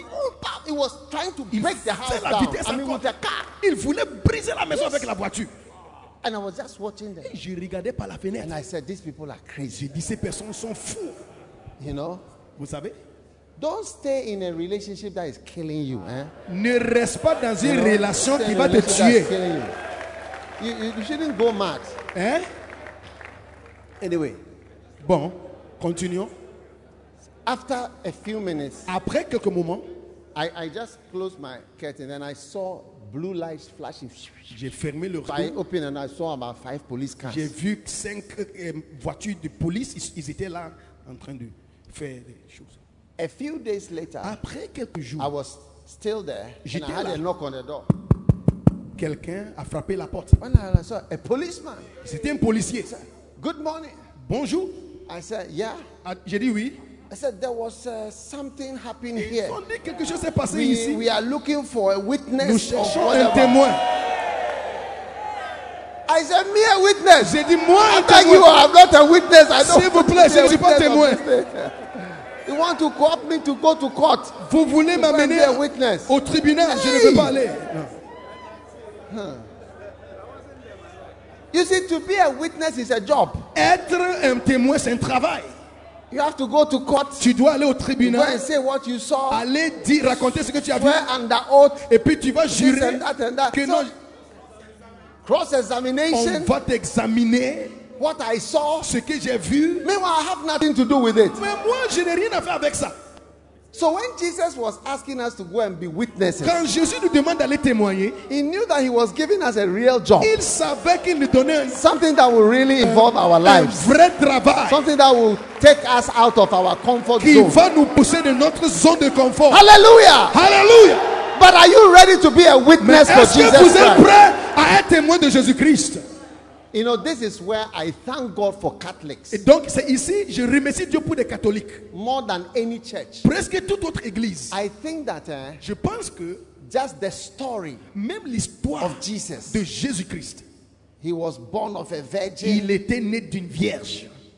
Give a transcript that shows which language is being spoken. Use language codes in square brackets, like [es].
[en] bam, it was trying to break the house [fr] la [en] down. I mean, with the car. [fr] Il voulait briser la maison avec la voiture. [en] And I was just watching them. [fr] Et je regardais par la fenêtre. [en] And I said, these people are crazy. [fr] J'ai dit, ces personnes sont fous. [en] You know. [fr] Vous savez. [en] Don't stay in a relationship that is killing you. Eh? [fr] Ne reste pas dans une relation qui va te tuer. [en] You shouldn't go mad. Eh? Anyway. [fr] Bon, continuons. [en] After a few minutes. [fr] Après quelques moments. [en] I just closed my curtain and I saw blue lights flashing. [fr] J'ai fermé le [en] rideau. I opened and I saw about 5 police cars. [fr] J'ai vu 5 voitures de police. Ils étaient là en train de faire des choses. [en] A few days later, [fr] après quelques jours, [en] I was still there. [fr] J'étais [en] and I had [fr] là. [en] A knock on the door. [fr] Quelqu'un a frappé la porte. [en] When I saw a policeman. [fr] C'était un policier. [en] Said, good morning. [fr] Bonjour. [en] I said, yeah. [fr] J'ai dit oui. [en] I said, there was something happening [fr] et [en] here. [fr] Ils ont dit quelque chose s'est passé [en] we, [fr] ici. [en] We are looking for a witness. [fr] Nous cherchons un témoin. [en] I said, me a witness. [fr] J'ai dit moi un [en] témoin. You, I'm not a witness. I don't [fr] s'il vous plaît, je ne suis pas témoin. [en] You want to co-opt me to go to court? [fr] Vous voulez [en] to [fr] m'amener [en] a witness? [fr] Au tribunal? Hey! Je ne veux pas aller. [en] You see, to be a witness is a job. [fr] Être un témoin, c'est un travail. [en] You have to go to court. [fr] Tu dois aller au tribunal. [en] Go and say what you saw. [fr] Aller dire, raconter ce que tu as vu. [en] Swear under oath. [fr] Et puis tu vas jurer [en] and that. [fr] Que so, non. [en] Cross examination. [fr] On va t'examiner. [en] What I saw, [fr] ce que j'ai vu, [en] meanwhile I have nothing to do with it. [fr] Mais moi, je n'ai rien à faire avec ça. [en] So when Jesus was asking us to go and be witnesses, [fr] quand Jésus nous demande d'aller témoigner, [en] he knew that he was giving us a real job. [fr] Il savait qu'il nous donnait [en] something that will really involve our lives. [fr] Un vrai travail. [en] Something that will take us out of our comfort zone. [fr] Qui va nous pousser de notre zone de confort. [en] Hallelujah! [fr] Hallelujah! [en] But are you ready to be a witness for Jesus [fr] vous êtes Prêt à être témoin de Jésus Christ? [en] You know, this is where I thank God for Catholics. [fr] Et donc, c'est ici, je remercie Dieu pour les catholiques. [en] More than any church. [fr] Presque toute autre église. [en] I think that, [fr] je pense que [en] just the story [fr] même l'histoire [en] of Jesus, [fr] de Jésus-Christ. [en] He was born of a virgin. [fr] Il était né d'une vierge.